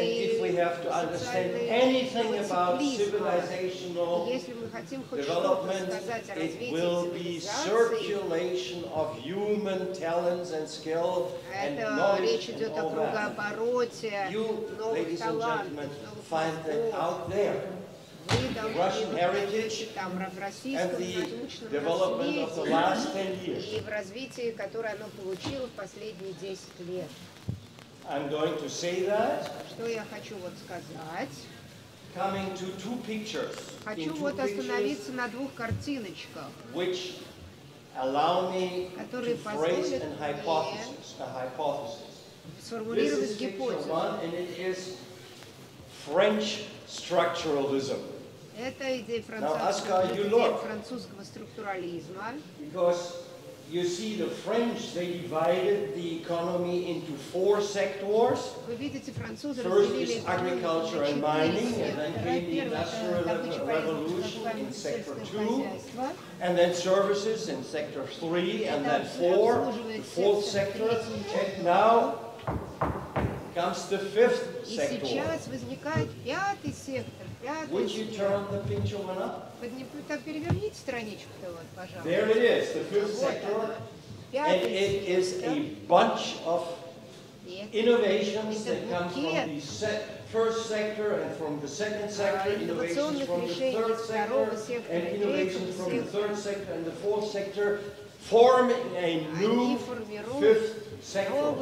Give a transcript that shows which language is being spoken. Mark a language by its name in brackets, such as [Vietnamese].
[English] and if we have to understand anything about civilizational development, it will be circulation of human talents and skill and knowledge and all that. You, ladies and gentlemen, find that out there. Russian heritage and the development of the last 10 years. [Russian] И в развитии, которое оно получило в последние 10 лет. [English] I'm going to say that. [Russian] Что я хочу вот сказать? [English] Coming to two pictures. [Russian] Хочу вот остановиться на двух картиночках. [English] Which allow me to phrase an hypothesis. A hypothesis. [Russian] Сформулировать гипотезу. [English] This is picture one, and it is French structuralism. [Russian] Это идея французского структурализма. [English] Because you see, the French, they divided the economy into four sectors. First is agriculture and mining, and then came the industrial revolution in sector two, and then services in sector three, and then four, the fourth sector. And now comes the fifth sector. Would you turn the picture one up? [Russian] Переверните страничку-то вот, пожалуйста. [English] There it is, the fifth sector. And it is a bunch of innovations that come from the first sector and from the second sector, innovations from the third sector, and innovations from the third sector and the fourth sector, forming a new fifth sector.